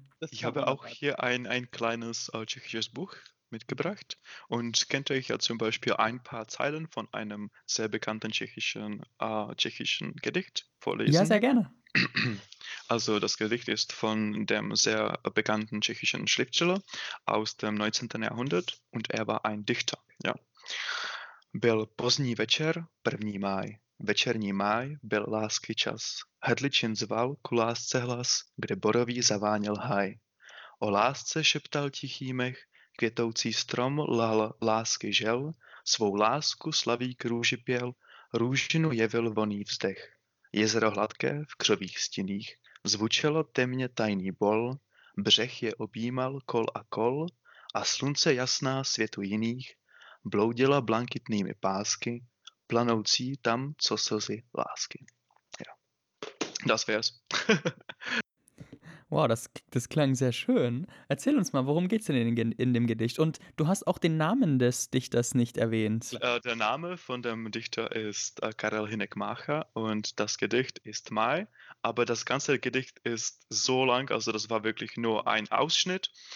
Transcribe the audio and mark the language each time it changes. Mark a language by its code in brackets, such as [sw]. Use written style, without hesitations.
[de] Ich habe auch hier ein kleines tschechisches Buch mitgebracht, und kennt euch ja zum Beispiel ein paar Zeilen von einem sehr bekannten tschechischen Gedicht Ja, sehr gerne. Also das Gedicht ist von dem sehr bekannten tschechischen Schriftsteller aus dem 19. Jahrhundert, und er war ein Dichter. [cs] Ja. Byl pozdní večer, 1. máj. Večerní máj byl lásky čas. Hrdličin zval ku lásce hlas, kde borový zaváněl háj. O lásce šeptal tichý mech, květoucí strom lal lásky žel, svou lásku slavík růži pěl, růžinu jevil voný vzdech. Jezero hladké v křových stinách, zvučelo temně tajný bol, břeh je objímal kol a kol, a slunce jasná světu jiných, bloudila blankitnými pásky, planoucí tam, co slzy lásky. [de] Das wär's. Wow, das klang sehr schön. Erzähl uns mal, worum geht's denn in dem Gedicht? Und du hast auch den Namen des Dichters nicht erwähnt. Der Name von dem Dichter ist Karel Hynek Mácha, und das Gedicht ist Mai. Aber das ganze Gedicht ist so lang, also das war wirklich nur ein Ausschnitt.